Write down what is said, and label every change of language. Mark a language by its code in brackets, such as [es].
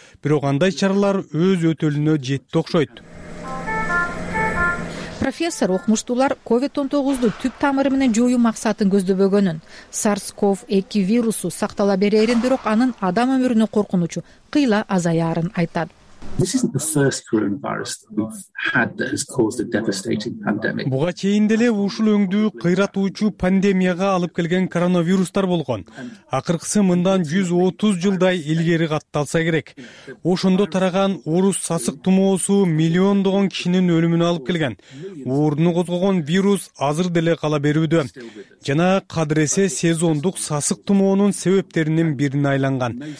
[ky] Бирок андай чаралар өз өтөлүнө жетти окшойт. Профессор, окумуштуулар COVID-19 түп тамыры менен жоюу максатын көздөбөгөнүн, SARS-CoV-2 вирусу сактала берээрин, бирок анын адам өмүрүнө коркунучу кыйла азаяарын айтат. [en] This isn't the first coronavirus that we've had that has caused a devastating pandemic. [ky] Буга чейин деле ушул өңдүү кыйратуучу пандемияга алып келген коронавирустар болгон. Акыркысы мындан 130 жылдай илгери катталса керек. Ошондо тараган орус сасык тумоосу миллиондогон кишинин өлүмүнө алып келген. Ооруну козгогон вирус азыр деле кала берүүдө. Жана кадыресе сезондук сасык тумоонун себептеринин бирине айланган.